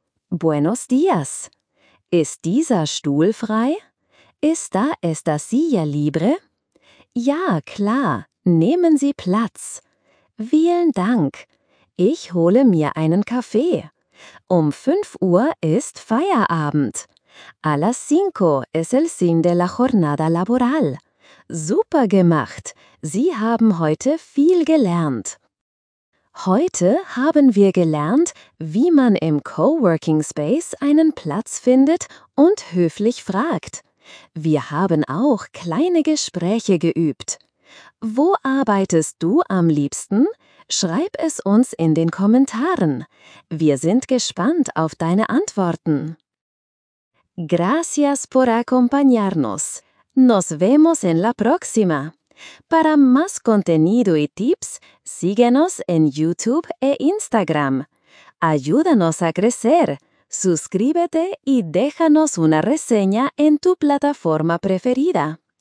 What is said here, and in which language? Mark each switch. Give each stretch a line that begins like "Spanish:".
Spanish: Buenos dias.
German: Ist dieser Stuhl frei?
Spanish: ¿Está esta silla libre?
German: Ja, klar. Nehmen Sie Platz. Vielen Dank. Ich hole mir einen Kaffee. Um 5 Uhr ist Feierabend.
Spanish: A las 5 es el fin de la jornada laboral.
German: Super gemacht. Sie haben heute viel gelernt. Heute haben wir gelernt, wie man im Coworking Space einen Platz findet und höflich fragt. Wir haben auch kleine Gespräche geübt. Wo arbeitest du am liebsten? Schreib es uns in den Kommentaren. Wir sind gespannt auf deine Antworten.
Spanish: Gracias por acompañarnos. Nos vemos en la próxima. Para más contenido y tips, síguenos en YouTube e Instagram. Ayúdanos a crecer. Suscríbete y déjanos una reseña en tu plataforma preferida.